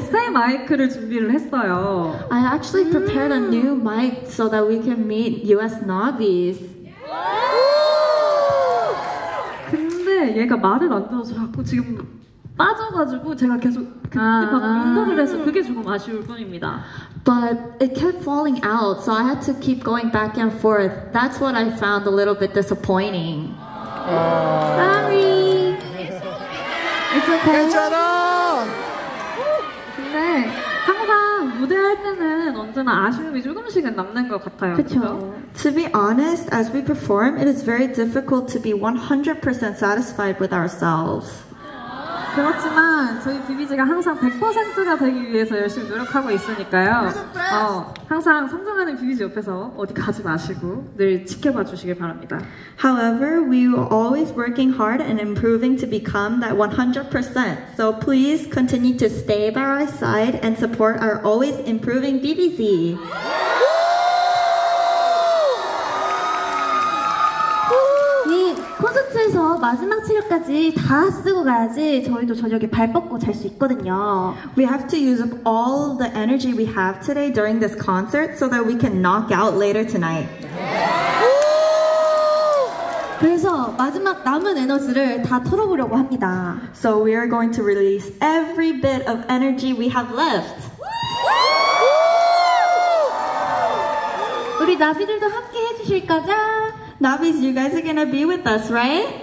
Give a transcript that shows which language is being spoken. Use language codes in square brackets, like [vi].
[ko] 새 마이크를 준비를 했어요. [en] I actually prepared a new mic so that we can meet US Navis. [ko] 근데 얘가 말을 안 들어서 자꾸 지금 빠져가지고 제가 계속 응답을 해서 그게 조금 아쉬울 뿐입니다. [en] But it kept falling out, so I had to keep going back and forth. That's what I found a little bit disappointing. Sorry. It's okay. [ko] 괜찮아. 근데 항상 무대할 때는 언제나 아쉬움이 조금씩은 남는 것 같아요. 그렇죠. [en] To be honest, as we perform, it is very difficult to be 100% satisfied with ourselves. [ko] 그렇지만 저희 비비지가 항상 100%가 되기 위해서 열심히 노력하고 있으니까요. 항상 성장하는 비비지 옆에서 어디 가지 마시고 늘 지켜봐 주시길 바랍니다. [en] However, we are always working hard and improving to become that 100%. So please continue to stay by our side and support our always improving BBZ. [ko] 콘서트에서 마지막 체력까지 다 쓰고 가야지 저희도 저녁에 발 뻗고 잘 수 있거든요. [en] We have to use up all the energy we have today during this concert so that we can knock out later tonight. [ko] 그래서 마지막 남은 에너지를 다 털어보려고 합니다. [en] So we are going to release every bit of energy we have left. [ko] 우리 나비들도 함께 해주실 거죠? [en] Navis, you guys are gonna be with us, right?